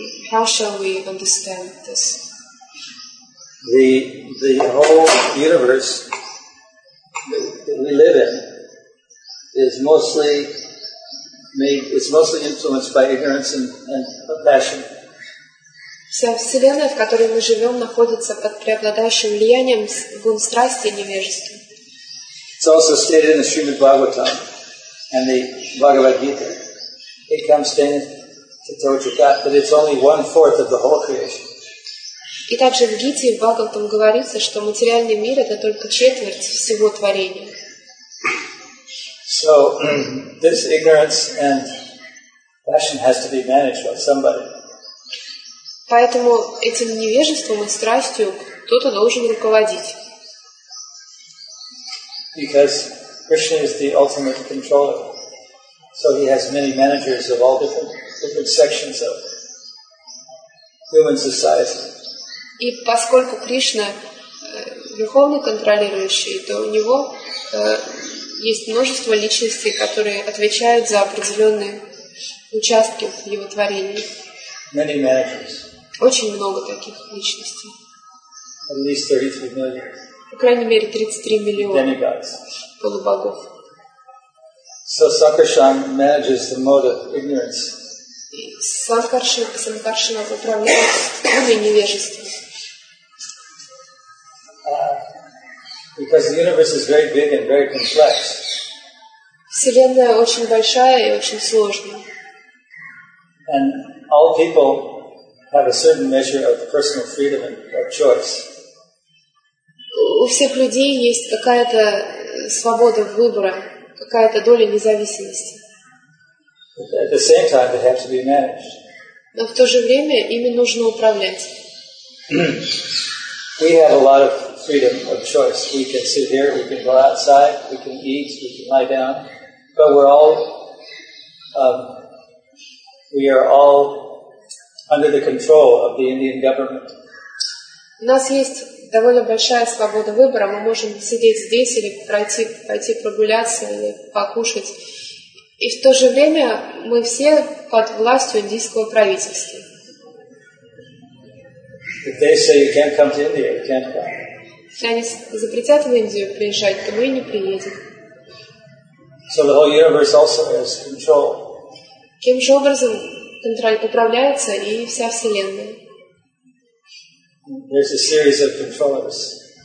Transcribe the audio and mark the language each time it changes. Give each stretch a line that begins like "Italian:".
English: How shall we understand this? The whole universe that we live in is mostly influenced by ignorance and passion.
Russian: Вся Вселенная, в которой мы живем, находится под преобладающим влиянием гун страсти и невежества.
English: It's also stated in the Srimad Bhagavatam and the Bhagavad Gita. It comes in to Tojikat, but it's only 1/4 of the whole creation.
Russian: И также в Гите и в Бхагаватам говорится, что материальный мир это только четверть всего творения.
English: So this ignorance and passion has to be managed by somebody.
Russian: Поэтому этим невежеством и страстью кто-то должен руководить.
English: Because Krishna is the ultimate controller, so he has many managers of all different sections of human society.
Russian: И поскольку Кришна верховный контролирующий, то у него есть множество личностей, которые отвечают за определенные участки в его творении.
English: Many managers.
Russian: Очень много таких личностей.
English: At least 33 million.
Russian: По крайней мере, 33 миллиона полубогов.
English: So Sankarshan manages the mode of ignorance.
Russian: Sankarshan управляет умом невежества.
English: Because the universe is very big and very complex.
Russian: Вселенная очень большая и очень сложная.
English: And all people have a certain measure of personal freedom and of choice.
Russian: У всех людей есть какая-то свобода выбора, какая-то доля независимости.
English: At the same time, they have to be managed. Но в то же время ими нужно управлять. We have a lot of freedom of choice. We can sit here, we can go outside, we can eat, we can lie down. But we are all under the control of the Indian government.
Russian: У нас есть довольно большая свобода выбора. Мы можем сидеть здесь или пойти прогуляться или покушать. И в то же время мы все под властью индийского правительства.
English: If they say you can't come to India, you can't come.
Russian: Если они запретят в Индию приезжать, то мы и не приедем.
English: So the whole universe also has control.
Russian: Каким же образом управляется и вся Вселенная?
English: There's a series of controllers.